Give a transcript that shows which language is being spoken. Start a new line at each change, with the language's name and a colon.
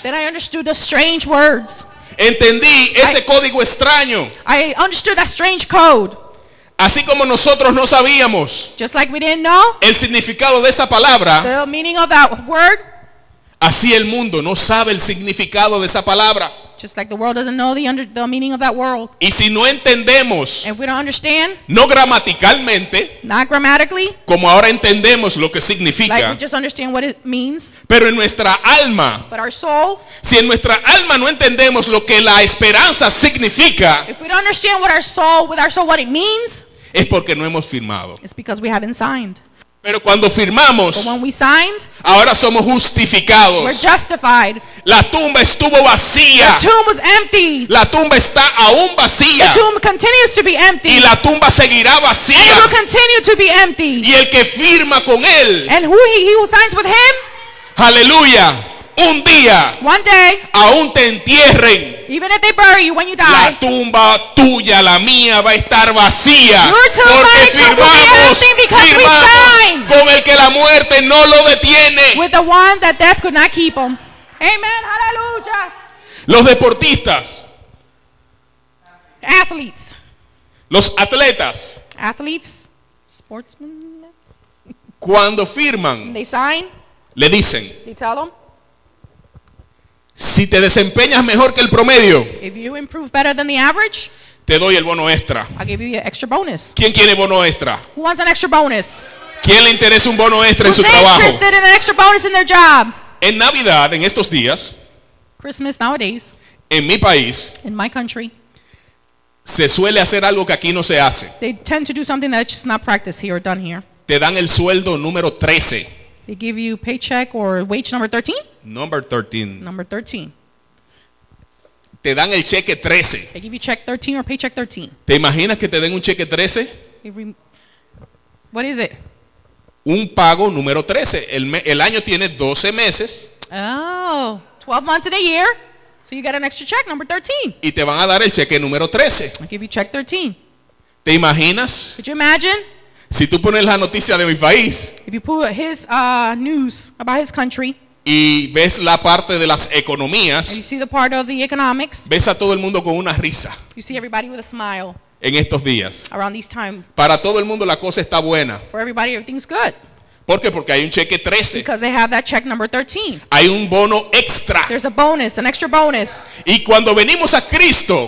English: Then I understood the strange words.
Spanish: Entendí ese código extraño.
English: I understood that strange code.
Spanish: Así como nosotros no sabíamos,
English: just like we didn't know,
Spanish: el significado de esa palabra,
English: the meaning of that word,
Spanish: así el mundo no sabe el significado de esa palabra.
English: Just like the world doesn't know the meaning of that word.
Spanish: Y si no entendemos,
English: and we don't understand,
Spanish: no gramaticalmente,
English: not grammatically,
Spanish: como ahora entendemos lo que significa,
English: like we just understand what it means,
Spanish: pero en nuestra alma,
English: but our soul,
Spanish: si en nuestra alma no entendemos lo que la esperanza significa,
English: if we don't understand what our soul, with our soul, what it means,
Spanish: es porque no hemos firmado.
English: It's because we haven't signed.
Spanish: Pero cuando firmamos,
English: but when we signed,
Spanish: ahora somos justificados.
English: We're justified.
Spanish: La tumba estuvo vacía.
English: The tomb was empty.
Spanish: La tumba está aún vacía.
English: The tomb continues to be empty.
Spanish: Y la tumba seguirá vacía.
English: And it will continue to be empty.
Spanish: Y el que firma con él,
English: and who signs with him,
Spanish: aleluya, un día,
English: one day,
Spanish: aún te entierren,
English: even if they bury you when you die,
Spanish: la tumba tuya, la mía, va a estar vacía.
English: Your tomb,
Spanish: porque
English: mine,
Spanish: firmamos,
English: will be empty because we signed.
Spanish: Con el que la muerte no lo detiene.
English: With the one that death could not keep him.
Spanish: Amen. Aleluya. Los deportistas.
English: Athletes.
Spanish: Los atletas.
English: Athletes. Sportsmen.
Spanish: Cuando firman.
English: They sign.
Spanish: Le dicen.
English: They tell them.
Spanish: Si te desempeñas mejor que el promedio,
English: if you improve better than the average,
Spanish: te doy el bono extra.
English: I'll give you the extra bonus.
Spanish: ¿Quién quiere bono extra?
English: Who wants an extra bonus?
Spanish: ¿Quién le interesa un bono extra
English: Who's
Spanish: en su trabajo?
English: Who's interested in an extra bonus in their job?
Spanish: En Navidad, en estos días,
English: Christmas nowadays,
Spanish: en mi país,
English: in my country,
Spanish: se suele hacer algo que aquí no se hace.
English: They tend to do something that's just not practiced here or done here.
Spanish: Te dan el sueldo número 13.
English: They give you paycheck or wage number 13? Number 13.
Spanish: Te dan el cheque 13.
English: They give you check 13 or paycheck 13.
Spanish: ¿Te imaginas que te den un cheque 13?
English: What is it?
Spanish: Un pago número 13. El año tiene 12 meses.
English: Oh, 12 months in a year. So you get an extra check, number 13.
Spanish: Y te van a dar el cheque número 13.
English: They give you check 13.
Spanish: ¿Te imaginas?
English: Could you imagine?
Spanish: Si tú pones la noticia de mi país,
English: if you put his news about his country,
Spanish: y ves la parte de las economías,
English: and you see the part of the economics,
Spanish: ves a todo el mundo con una risa,
English: you see everybody with a smile,
Spanish: en estos días,
English: around these time,
Spanish: para todo el mundo la cosa está buena,
English: for everybody everything's good.
Spanish: ¿Por qué? Porque hay un cheque 13.
English: Because they have that check number 13.
Spanish: Hay un bono extra.
English: There's a bonus, an extra bonus.
Spanish: Y cuando venimos a Cristo,